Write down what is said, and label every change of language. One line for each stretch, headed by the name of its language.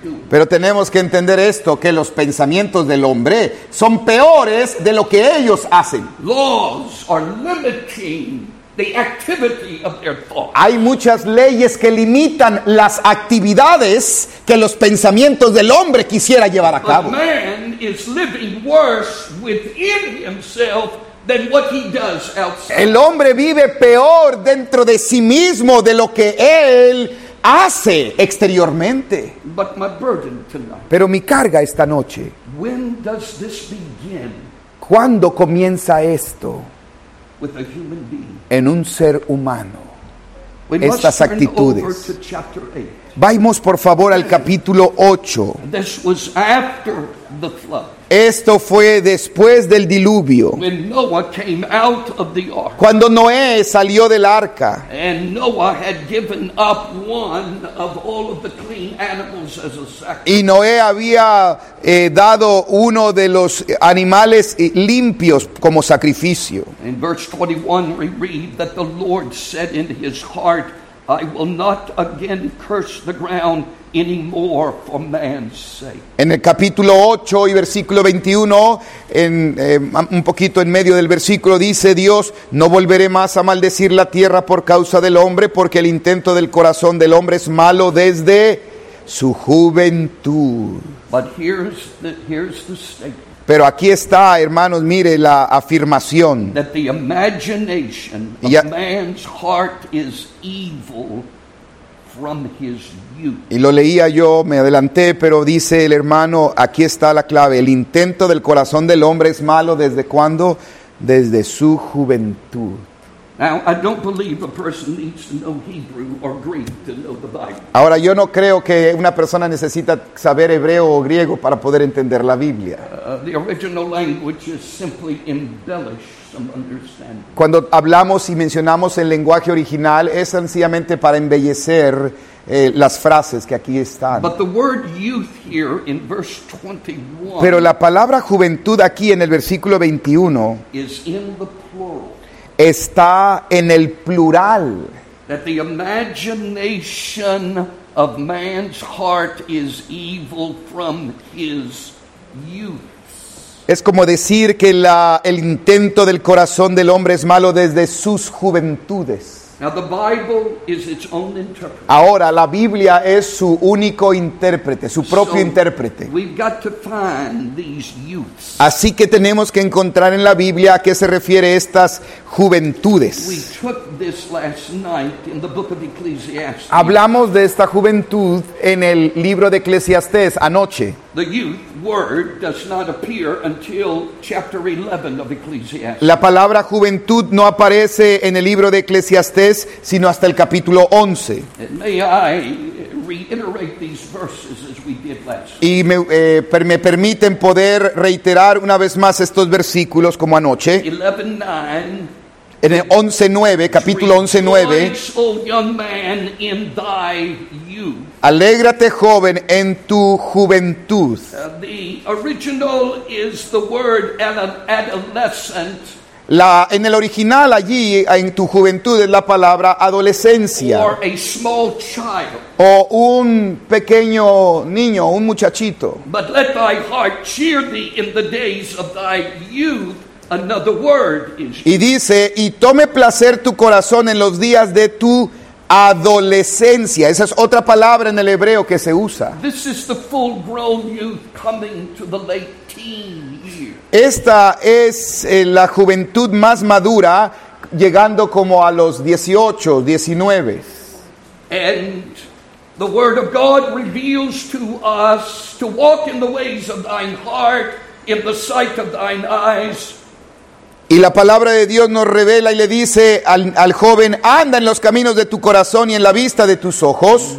Spanish: Pero tenemos que entender esto, que los pensamientos del hombre son peores de lo que ellos hacen.
English: Laws are limiting the activity of their thoughts.
Spanish: Hay muchas leyes que limitan las actividades que los pensamientos del hombre quisiera llevar a cabo.
English: Man is living worse within himself than what he does outside.
Spanish: El hombre vive peor dentro de sí mismo de lo que él hace exteriormente.
English: But my burden tonight.
Spanish: Pero mi carga esta noche.
English: When does this begin?
Spanish: ¿Cuándo comienza esto?
English: With a human being.
Spanish: En un ser humano. Estas actitudes. Vamos por favor al capítulo 8.
English: This was after the flood.
Spanish: Esto fue después del diluvio.
English: When Noah came out of the ark.
Spanish: Cuando Noé salió del arca.
English: And Noah had given up one of all of the clean animals as a sacrifice.
Spanish: Y Noé había dado uno de los animales limpios como sacrificio.
English: In verse 21 we read that the Lord said in his heart, I will not again curse the ground anymore for man's sake.
Spanish: En el capítulo 8 y versículo 21, un poquito en medio del versículo, dice Dios, no volveré más a maldecir la tierra por causa del hombre, porque el intento del corazón del hombre es malo desde su juventud.
English: But here's the statement.
Spanish: Pero aquí está, hermanos, mire la afirmación.
English: That the imagination of man's heart is evil from his youth.
Spanish: Y lo leía yo, me adelanté, pero dice el hermano, aquí está la clave. El intento del corazón del hombre es malo, ¿desde cuándo? Desde su juventud.
English: Now, I don't believe a person needs to know Hebrew or Greek to know the Bible.
Spanish: Ahora, yo no creo que una persona necesita saber hebreo o griego para poder entender la Biblia.
English: The original language is simply embellish some understanding.
Spanish: Cuando hablamos y mencionamos el lenguaje original, es sencillamente para embellecer las frases que aquí están.
English: But the word youth here in verse 21.
Spanish: Pero la palabra juventud aquí en el versículo 21
English: is in the plural.
Spanish: Está en el plural.
English: That the imagination of man's heart is evil from his youth.
Spanish: Es como decir que el intento del corazón del hombre es malo desde sus juventudes.
English: Now the Bible is its own interpreter.
Spanish: Ahora la Biblia es su único intérprete, su propio intérprete.
English: We've got to find these youths.
Spanish: Así que tenemos que encontrar en la Biblia a qué se refiere estas juventudes.
English: We took this last night in the book of Ecclesiastes.
Spanish: Hablamos de esta juventud en el libro de Eclesiastés anoche.
English: The youth word does not appear until chapter 11 of Ecclesiastes.
Spanish: La palabra juventud no aparece en el libro de Eclesiastés sino hasta el capítulo 11.
English: And may I reiterate these verses as we did last night.
Spanish: Y me permiten poder reiterar una vez más estos versículos como anoche. 11:9. En el 11:9, capítulo 11:9. Alégrate, joven, en tu juventud.
English: The original is the word adolescent.
Spanish: En el original allí, en tu juventud, es la palabra adolescencia.
English: Or a small child.
Spanish: O un pequeño niño, un muchachito.
English: But let thy heart cheer thee in the days of thy youth. Another word is.
Spanish: Y dice, y tome placer tu corazón en los días de tu adolescencia. Esa es otra palabra en el hebreo que se usa.
English: This is the full-grown youth coming to the late teen years.
Spanish: Esta es la juventud más madura, llegando como a los 18, 19.
English: And the word of God reveals to us to walk in the ways of thine heart, in the sight of thine eyes.
Spanish: Y la palabra de Dios nos revela y le dice al joven, anda en los caminos de tu corazón y en la vista de tus ojos.